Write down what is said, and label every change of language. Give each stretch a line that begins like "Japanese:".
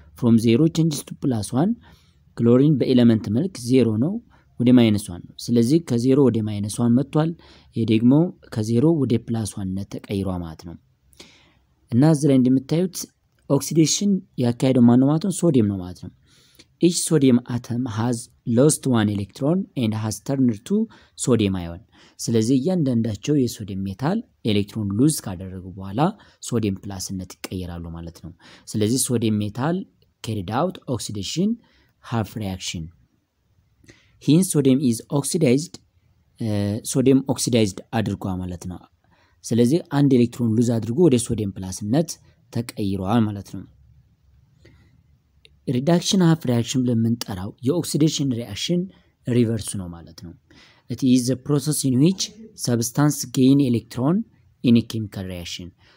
English: From 0 changes to plus 1 chlorine be element milk 0 no
Amharic: ወደ minus 1 ነው። ስለዚህ ከ0 ወደ minus 1 መጥቷል። ይሄ ደግሞ ከ0 ወደ plus 1 ነው ተቀይሯ ማለት ነው። እና እዚህ ላይ እንደምታዩት oxidation ያካሄደው ማን ነው ማለት ነው?
English: sodium
Amharic: ነው ማለት ነው።
English: each sodium atom has lost one electron and has turned to sodium ion.
Amharic: ስለዚህ እያንዳንዳቸው የሶዲየም ሜታል ኤሌክትሮን ሉዝ ካደረጉ በኋላ ሶዲየም ፕላስነት ይቀየራሉ ማለት ነው። ስለዚህ ሶዲየም ሜታል
English: carried out oxidation half reaction. Hence sodium is oxidized sodium oxidized
Amharic: አድርጓ ማለት ነው። ስለዚህ አንድ ኤሌክትሮን ሉዝ አድርጎ ወደ ሶዲየም ፕላስነት ተቀይሯል ማለት ነው። reduction half reaction ብለን የምንጠራው የኦክሲዴሽን ሪአክሽን ሪቨርስ ነው ማለት ነው።
English: it is a process in which substance gain electron in a chemical reaction.